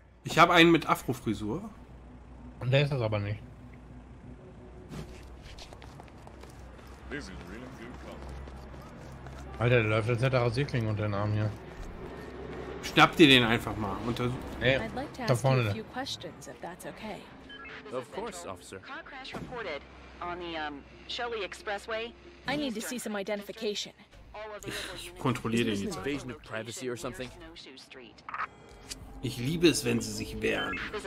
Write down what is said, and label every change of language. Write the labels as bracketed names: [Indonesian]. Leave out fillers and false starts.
[German] Ich habe einen mit Afro-Frisur. Und der ist das aber nicht. Alter, der läuft jetzt nicht der Rasierkling unter den Arm hier. Schnapp dir den einfach mal. Untersuch. Hey, da vorne. Da. Okay. [English] Of course, Officer. Car crash reported on the Shelley Expressway. I need to see some identification. [German] Ich kontrolliere den jetzt. [English] Invasion of privacy or something. [German] Ich liebe es, wenn sie sich wehren.